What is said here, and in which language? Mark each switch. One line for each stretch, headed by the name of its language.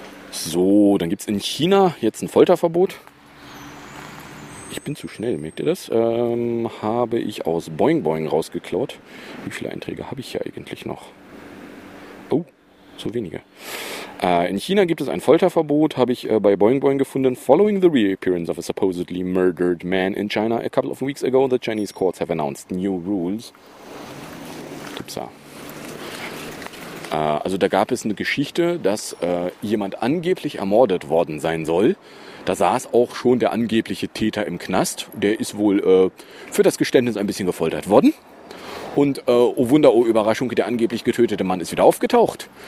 German: So, dann gibt es in China jetzt ein Folterverbot. Ich bin zu schnell, merkt ihr das? Habe ich aus Boing Boing rausgeklaut. Wie viele Einträge habe ich hier eigentlich noch? Oh, so wenige. In China gibt es ein Folterverbot, habe ich bei Boing Boing gefunden.
English: Following the reappearance of a supposedly murdered man in China a couple of weeks ago, the Chinese courts have announced new rules.
German: Upsa. Also da gab es eine Geschichte, dass jemand angeblich ermordet worden sein soll. Da saß auch schon der angebliche Täter im Knast. Der ist wohl für das Geständnis ein bisschen gefoltert worden. Und oh Wunder, oh Überraschung, der angeblich getötete Mann ist wieder aufgetaucht.